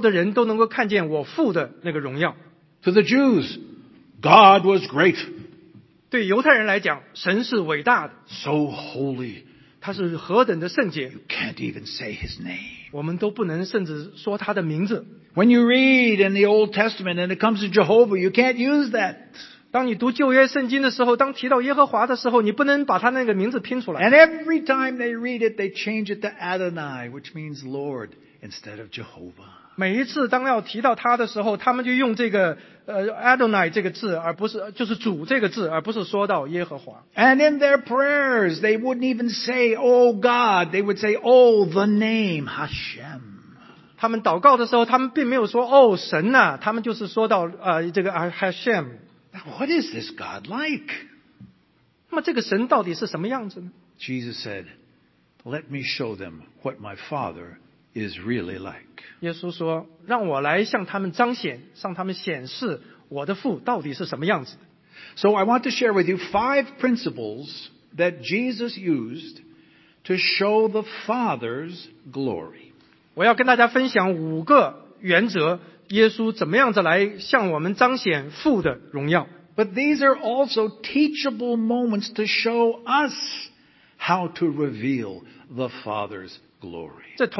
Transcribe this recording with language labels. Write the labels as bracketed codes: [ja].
[zh] 我让所有的人都能够看见我父的那个荣耀。 [en] To the Jews, God was great. [zh] 对犹太人来讲, [en] so holy. [zh] 他是何等的圣洁, [en] you can't even say his name. [zh] 我们都不能甚至说他的名字。 [en] When you read in the Old Testament and it comes to Jehovah, you can't use that. [zh] 当你读旧约圣经的时候, 当提到耶和华的时候, 你不能把他那个名字拼出来。 [en] And every time they read it, they change it to Adonai, which means Lord, instead of Jehovah. [zh] 每一次当要提到他的时候, 他们就用这个, Adonai这个字, 而不是, 就是主这个字, 而不是说到耶和华。 [en] And in their prayers, they wouldn't even say, Oh God, they would say, Oh, the name, Hashem. [zh] 他们祷告的时候, 他们并没有说, Oh, 神啊, 他们就是说到, Hashem. [en] Now, what is this God like? [zh] 那么这个神到底是什么样子呢? [en] Jesus said, Let me show them what my Father is really like. [zh] 耶稣说, 让我来向他们彰显,向他们显示我的父到底是什么样子。 [en] So I want to share with you five principles that Jesus used to show the Father's glory. [zh] 我要跟大家分享五个原则,耶稣怎么样子来向我们彰显父的荣耀。 [en] But these are also teachable moments to show us how to reveal the Father's glory.